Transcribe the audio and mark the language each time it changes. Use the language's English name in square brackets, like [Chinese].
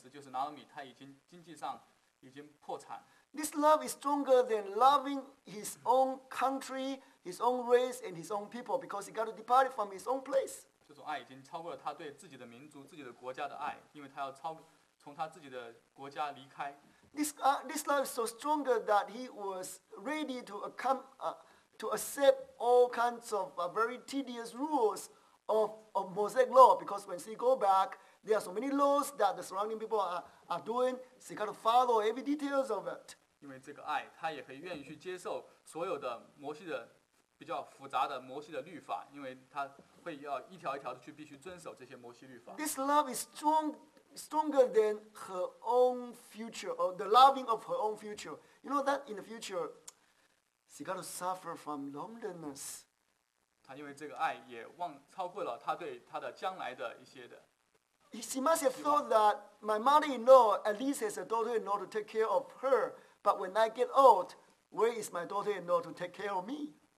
[Chinese] 这种爱胜过了当时很冷酷的现实，就是Naomi她已经经济上已经破产。 [English] This love is stronger than loving his own country, his own race, and his own people because he got to depart from his own place. [Chinese] 这种爱已经超过了他对自己的民族、自己的国家的爱，因为他要超。从他自己的国家离开。 [English] This love is so stronger that he was ready to accept all kinds of very tedious rules of Mosaic law, because when she go back, there are so many laws that the surrounding people are doing, she got to follow every details of it. [Chinese] 因为这个爱，他也可以愿意去接受所有的摩西的比较复杂的摩西的律法，因为他会要一条一条的去必须遵守这些摩西律法。 [English] This love is strong stronger than her own future, or the loving of her own future. You know that in the future, she got to suffer from loneliness. [Chinese] 她因为这个爱也忘超过了她对她的将来的一些的。 [English] She must have thought that my mother-in-law at least has a daughter-in-law to take care of her, but when I get old, where is my daughter-in-law to take care of me?